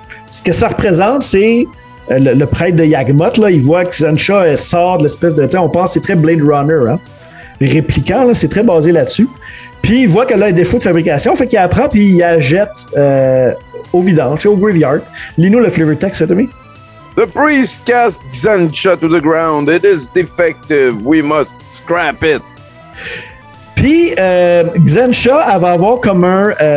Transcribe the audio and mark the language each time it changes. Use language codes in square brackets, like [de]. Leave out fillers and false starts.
[fr] Ce que ça représente, c'est le prêtre de Yagmoth, là, il voit que Xantcha sort de l'espèce de... On pense que c'est très Blade Runner, hein? Répliquant, là, c'est très basé là-dessus. Puis il voit qu'elle a un défaut de fabrication, fait qu'il apprend puis il la jette au vidange, au graveyard. Lis-nous le flavor text, Tommy. [en] The priest cast Xantcha to the ground. It is defective. We must scrap it. [fr] Puis Xantcha, elle va avoir comme un...